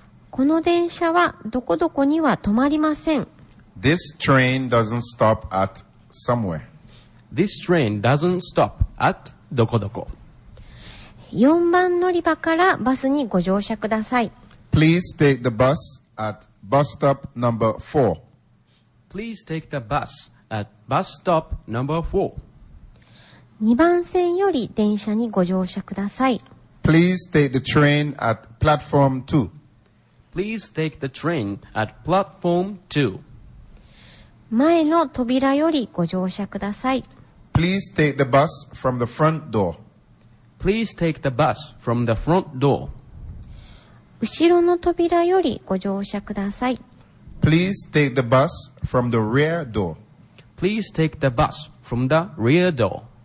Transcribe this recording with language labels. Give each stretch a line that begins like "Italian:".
Japanese: この電車はどこどこには止まりません。
English: This train doesn't stop at somewhere. This train doesn't stop at
Japanese: どこどこ。 4番乗り場からバスにご乗車ください。
English: Please take the bus at bus stop number 4. Please take the bus at bus stop number 4.
Japanese: 2番線より電車にご乗車ください。
English: Please take the train at platform 2. Please take the train at platform 2.
Japanese: 前の扉よりご乗車ください。
English: Please take the bus from the front door. Please take the bus from the front door.
Japanese: 後ろの扉よりご乗車ください。
English: Please take the bus from the rear door. Please take the bus from the rear door.